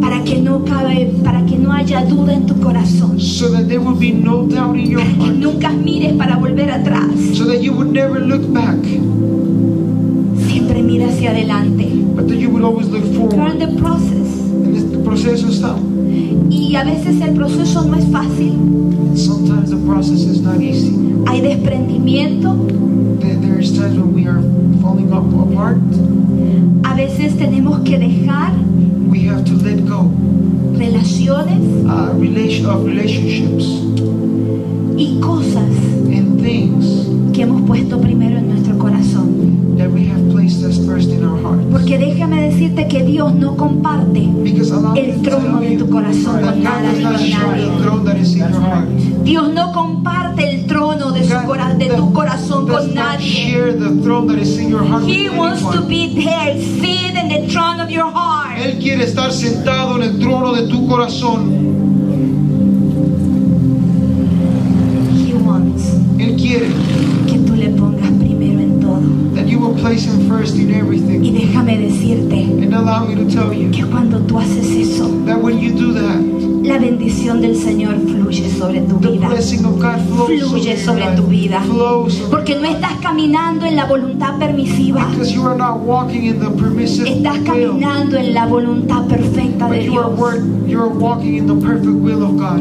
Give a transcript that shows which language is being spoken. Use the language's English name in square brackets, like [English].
[Spanish] Para que no haya duda en tu corazón. [English] So that there will be no doubt in your heart. [Spanish] Que nunca mires para volver atrás. [English] So that you would never look back. [Spanish] Siempre mira hacia adelante. [English] But that you would always look forward. You're in the process. [Spanish] En este proceso está. Y a veces el proceso no es fácil. [English] And sometimes the process is not easy. [Spanish] Hay desprendimiento. [English] There's times when we are falling apart. [Spanish] A veces tenemos que dejar. [English] We have to let go. [Spanish] Relaciones. [English] Relationships. [Spanish] Y cosas. [English] And things. [Spanish] que hemos puesto primero en nuestro corazón. [English] That we have placed us first in our hearts. [Spanish] Porque déjame decirte que Dios no comparte el trono de tu corazón con nada ni nadie. Dios no comparte el trono de tu corazón con nadie. [English] He wants to be there, seated in the throne of your heart. [Spanish] Él quiere estar sentado en el trono de tu corazón. Él quiere que tú le pongas primero en todo. [English] That you will place him first in everything. [Spanish] Y déjame decirte, [English] and allow me to tell you, [Spanish] que cuando tú haces eso, [English] that when you do that, [Spanish] la bendición del Señor fluye sobre tu vida. [English] The blessing of God flows [Spanish] fluye sobre [English] life, [Spanish] tu vida. Porque no estás caminando en la voluntad permisiva. [English] Because you are not walking in the permissive will. [Spanish] Estás caminando en la voluntad perfecta de Dios. [English] You are walking in the perfect will of God.